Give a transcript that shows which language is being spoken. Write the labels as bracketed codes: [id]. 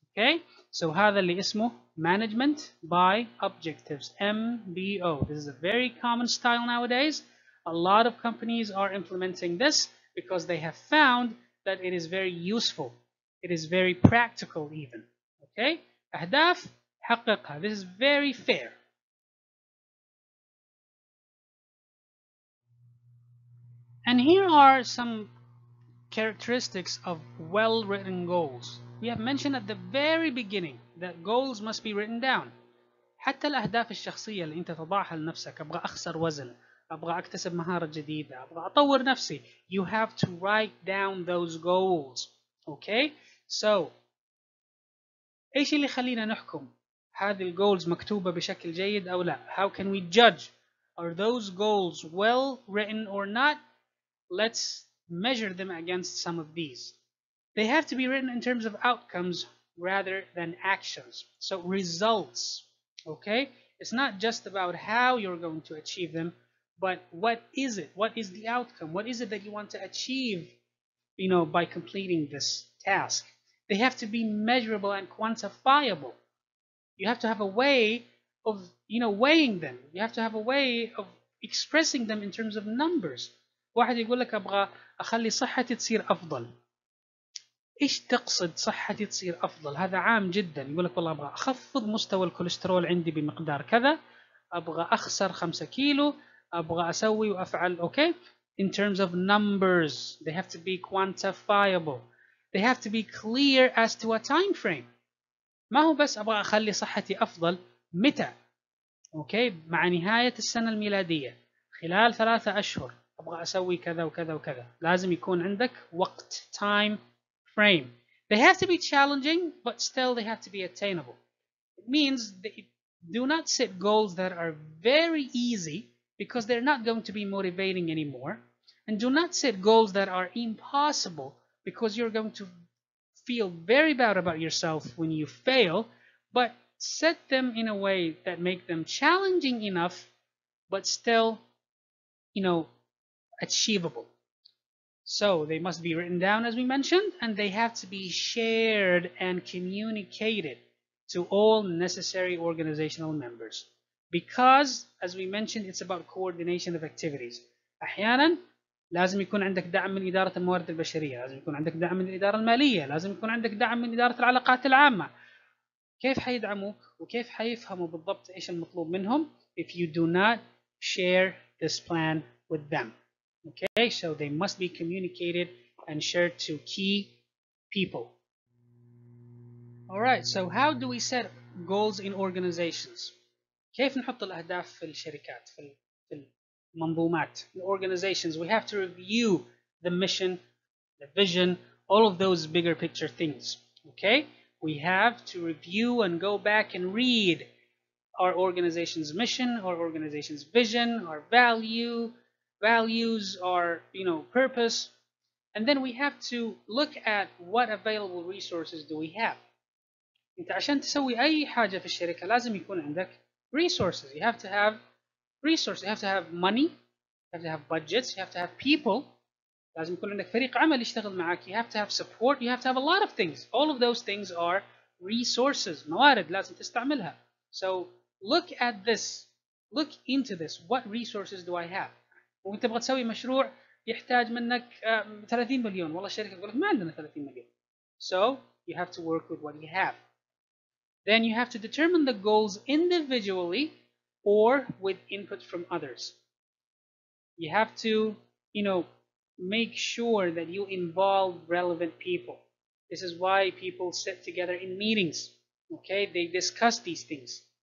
[en] Okay, so [ar] هذا اللي اسمه [en] management by objectives, MBO. This is a very common style nowadays. A lot of companies are implementing this because they have found that it is very useful. It is very practical even. [ar] Okay, أهداف حققها. [en] This is very fair. And here are some characteristics of well-written goals. We have mentioned at the very beginning that goals must be written down. [ar] حتى الأهداف الشخصية اللي أنت تضعها لنفسك أبغى أخسر وزن أبغى أكتسب مهارة جديدة أبغى أطور نفسي [en] you have to write down those goals. Okay? [ar] So إيش اللي خلينا نحكم هذه الgoals مكتوبة بشكل جيد أو لا? [en] How can we judge? Are those goals well written or not? Let's measure them against some of these. They have to be written in terms of outcomes rather than actions. So results, okay? It's not just about how you're going to achieve them, but what is it? What is the outcome? What is it that you want to achieve, you know, by completing this task? They have to be measurable and quantifiable. You have to have a way of, you know, weighing them. You have to have a way of expressing them in terms of numbers. [ar] واحد يقول لك أبغى أخلي صحتي تصير أفضل. إيش تقصد صحتي تصير أفضل؟ هذا عام جدا. يقول لك والله أبغى أخفض مستوى الكوليسترول عندي بمقدار كذا. أبغى أخسر 5 كيلو. أبغى أسوي وأفعل. Okay? [en] In terms of numbers, they have to be quantifiable. They have to be clear as to a time frame. [ar] ما هو بس أبغى أخلي صحتي أفضل. متى؟ Okay? مع نهاية السنة الميلادية. خلال 3 أشهر. أبغى أسوي كذا وكذا وكذا. لازم يكون عندك وقت time frame. [en] They have to be challenging, but still they have to be attainable. It means they do not set goals that are very easy because they're not going to be motivating anymore. And do not set goals that are impossible because you're going to feel very bad about yourself when you fail. But set them in a way that make them challenging enough, but still, you know, achievable. So they must be written down, as we mentioned, and they have to be shared and communicated to all necessary organizational members. Because, as we mentioned, it's about coordination of activities. [ar] أحيانا لازم يكون عندك دعم من إدارة الموارد البشرية، لازم يكون عندك دعم من الإدارة المالية، لازم يكون عندك دعم من إدارة العلاقات العامة. كيف حيدعموك وكيف حيفهموا بالضبط إيش المطلوب منهم [en] if you do not share this plan with them. Okay, so they must be communicated and shared to key people. All right, so how do we set goals in organizations? [ar] كيف نحط الأهداف في الشركات في المنظومات [en] in organizations? We have to review the mission, the vision, all of those bigger picture things. Okay, we have to review and go back and read our organization's mission, our organization's vision, our values, our, you know, purpose. And then we have to look at what available resources do we have. [ar] انت عشان تسوي اي حاجة في الشركة لازم يكون عندك resources. [en] You have to have resources. You have to have money. You have to have budgets. You have to have people. [ar] لازم يكون عندك فريق عمل يشتغل معك. [en] You have to have support. You have to have a lot of things. All of those things are resources. [ar] موارد لازم تستعملها. [en] So look at this. Look into this. What resources do I have? [ar] وانت تبغى تسوي مشروع يحتاج منك 30 مليون. والله الشركة تقول لك ما عندنا 30 مليون. [en] So you have to work with what you have. Then you have to determine the goals individually or with input from others. You have to, you know, make sure that you involve relevant people. This is why people sit together in meetings. Okay, they discuss these things.